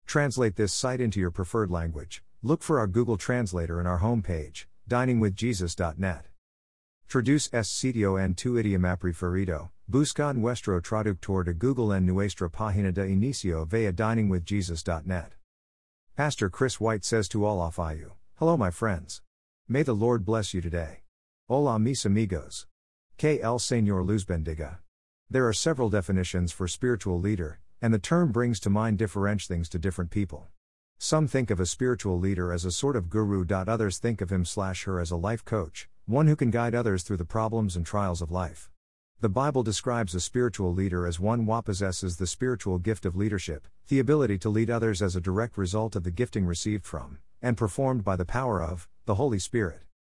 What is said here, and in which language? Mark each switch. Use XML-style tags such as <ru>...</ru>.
<en>Translate this site into your preferred language. Look for our Google Translator in our homepage, diningwithjesus.net.</en> <es>Traduce este sitio en tu idioma preferido. Busca nuestro traductor de Google en nuestra página de inicio via diningwithjesus.net.</es> <en>Pastor Chris White says to all of you, hello my friends. May the Lord bless you today.</en> <es>Hola mis amigos. Que el Señor los bendiga.</es> <en>There are several definitions for spiritual leader, and the term brings to mind different things to different people. Some think of a spiritual leader as a sort of guru. Others think of him/her as a life coach, one who can guide others through the problems and trials of life. The Bible describes a spiritual leader as one who possesses the spiritual gift of leadership, the ability to lead others as a direct result of the gifting received from, and performed by the power of, the Holy Spirit.</en>